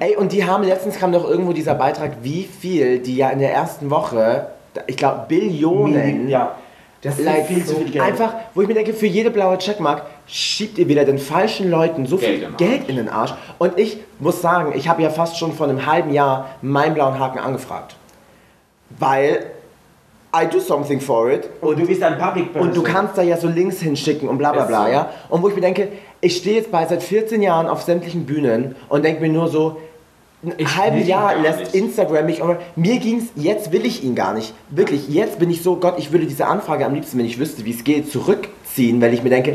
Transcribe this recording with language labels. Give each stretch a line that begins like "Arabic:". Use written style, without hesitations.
German: Ey, und die haben, letztens kam doch irgendwo dieser Beitrag, wie viel die ja in der ersten Woche, ich glaube Billionen... Ja. Das ist like viel so zu viel Geld. Einfach, wo ich mir denke, für jede blaue Checkmark schiebt ihr wieder den falschen Leuten so Geld viel Geld in den Arsch. Und ich muss sagen, ich habe ja fast schon vor einem halben Jahr meinen blauen Haken angefragt.
English: Weil I do something for it.
German: Und du bist ein Public Person. Und du kannst da ja so Links hinschicken und bla bla bla. Ja? Und wo ich mir denke, ich stehe jetzt bei seit 14 Jahren auf sämtlichen Bühnen und denke mir nur so, ein halbes Jahr lässt nicht. Instagram mich... Mir ging's, jetzt will ich ihn gar nicht. Wirklich, jetzt bin ich so, Gott, ich würde diese Anfrage am liebsten, wenn ich wüsste, wie es geht, zurückziehen, weil ich mir denke,